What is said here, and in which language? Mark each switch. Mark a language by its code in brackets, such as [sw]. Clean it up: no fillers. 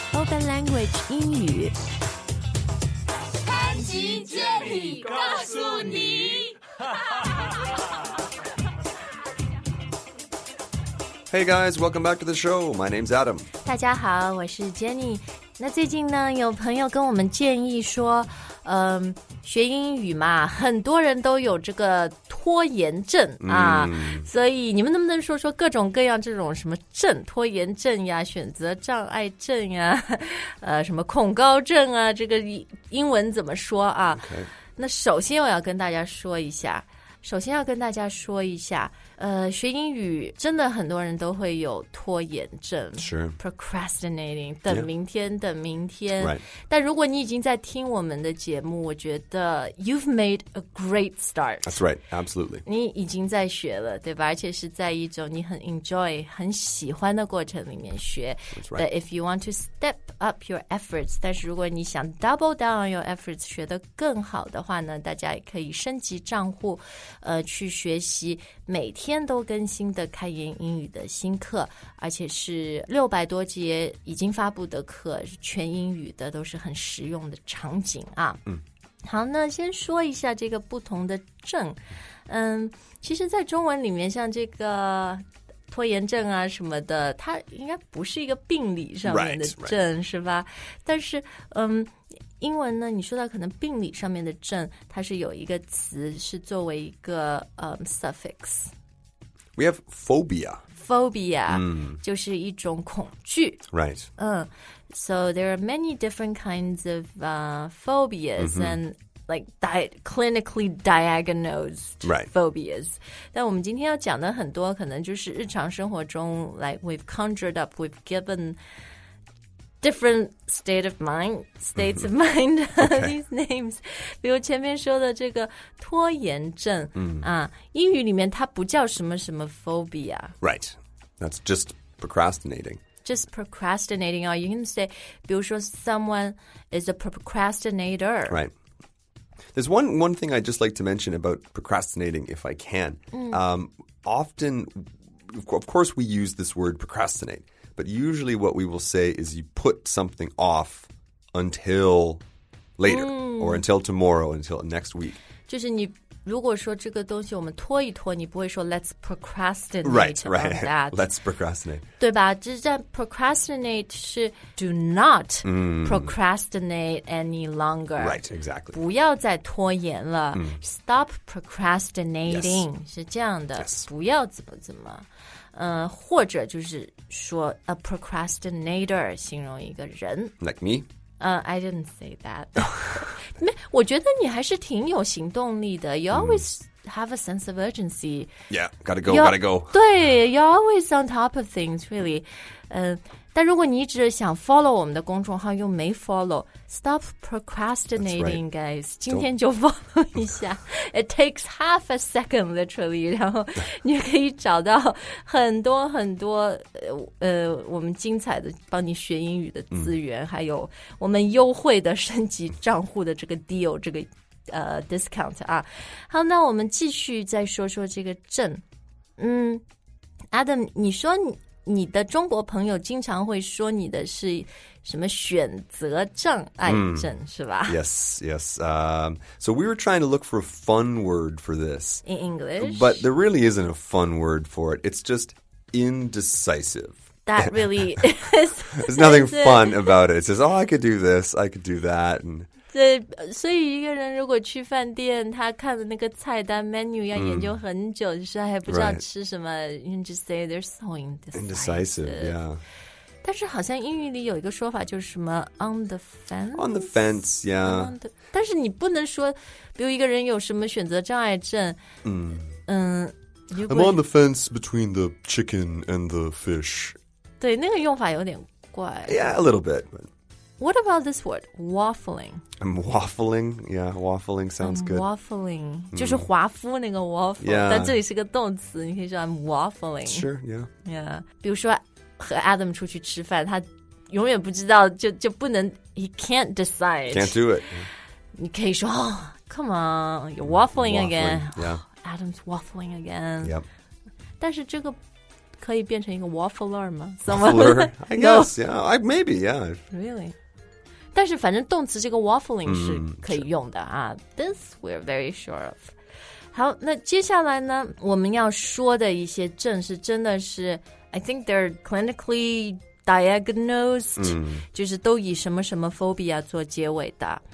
[en] The Language 英语。 [zh] 潘吉杰里告诉你。 [en] Hey guys, welcome back to the show. My name's Adam. [zh] 大家好，我是 Jenny。那最近呢，有朋友跟我们建议说，学英语嘛，很多人都有这个拖延症啊，所以你们能不能说说各种各样这种什么症，拖延症呀，选择障碍症呀，什么恐高症啊，这个英文怎么说啊？ [en] Okay. [zh] 那首先我要跟大家说一下。首先要跟大家说一下，学英语真的很多人都会有拖延症， [en] 是、sure. [zh] procrastinating， 等明天， [en] yeah. [zh] 等明天。 [en] Right. [zh] 但如果你已经在听我们的节目，我觉得 [en] you've made a great start. That's right, absolutely. [zh] 你已经在学了，对吧？而且是在一种你很 enjoy、很喜欢的过程里面学。 [en] That's right. But if you want to step up your efforts, [zh] 但是如果你想 [en] double down on your efforts [zh] 学得更好的话呢，大家也可以升级账户。去学习每天都更新的开言英语的新课，而且是600多节已经发布的课，全英语的，都是很实用的场景啊。嗯，好，那先说一下这个不同的症。其实在中文里面像这个拖延症啊什么的，它应该不是一个病理上面的症、 [en] right, [zh] 是吧？但是英文呢，你说到可能病理上面的症，它是有一个词是作为一个suffix。 [en] We have phobia. [zh] Phobia、就是一种恐惧。 [en] Right. So there are many different kinds of phobias、mm-hmm. and like clinically diagnosed、 right. phobias. [zh] 但我们今天要讲的很多可能就是日常生活中 [en] like we've conjured up, we've given... Different state of mind, states of mind,、these names. [zh] 比如前面说的这个拖延症、英语里面它不叫什么什么 phobia. [en] Right. That's just procrastinating. Just procrastinating. Or you can say, [zh] 比如说 [en] someone is a procrastinator. Right. There's one thing I'd just like to mention about procrastinating, if I can.、often, of course, we use this word procrastinate. But usually what we will say is you put something off until later、or until tomorrow, until next week. [zh] 就是你如果说这个东西我们拖一拖你不会说 [en] let's procrastinate right, on right. that. Let's procrastinate. [zh] 对吧就是在 procrastinate 是 [en] do not、procrastinate any longer. Right, exactly. [zh] 不要再拖延了、 [en] Stop procrastinating.、 Yes. [zh] 是这样的、 [en] yes. [zh] 不要怎么怎么。或者就是说 a procrastinator 形容一个人 [en] Like me?、 I didn't say that [zh] 我觉得你还是挺有行动力的 [en] You always have a sense of urgency Yeah, gotta go, gotta go [zh] 对 [en] You're always on top of things, really [zh] 但如果你一直想 follow 我们的公众号又没 follow [en] Stop procrastinating,、 [zh] guys 今天就 follow 一下 [en] It takes half a second, literally [zh] 然后你可以找到很多很多我们精彩的帮你学英语的资源、还有我们优惠的升级账户的这个 deal 这个discount 啊好那我们继续再说说这个证Adam 你说你的中国朋友经常会说你的是什么选择障碍症、是吧 [en] Yes, yes、So we were trying to look for a fun word for this In English But there really isn't a fun word for it It's just indecisive That really is There's nothing fun about it It says, oh, I could do this, I could do that And [zh] 对，所以一个人如果去饭店，他看的那个菜单 menu 要研究很久，就是还不知道吃什么。 [en] Right. You just say they're so indecisive. Yeah. [zh] 但是好像英语里有一个说法，就是什么 on the fence. [en] On the fence, yeah. [zh] The, 但是你不能说，比如一个人有什么选择障碍症。 [en] I'm on the fence between the chicken and the fish. [zh] 对，那个用法有点怪。 [en] Yeah, a little bit, but. What about this word, waffling? I'm waffling, yeah, waffling sounds good. [zh] Waffling,、就是华夫那个 waffle,、 [en] yeah. [zh] 但这里是个动词，你可以说 [en] I'm waffling. Sure, yeah. [zh] Yeah, 比如说和 Adam 出去吃饭，他永远不知道，就不能 [en] he can't decide. Can't do it. [zh] 你可以说 [en] oh, come on, you're waffling, waffling again. Yeah. Adam's waffling again. Yep. [zh] 但是这个可以变成一个 waffler 吗 [en] waffler I guess yeah I, maybe yeah [zh] really但是反正动词这个 waffling 是可以用的啊 [en] This we're very sure of [zh] 好那接下来呢我们要说的一些症是真的是 [en] I think they're clinically diagnosed、 mm. [zh] 就是都以什么什么 phobia 做结尾的、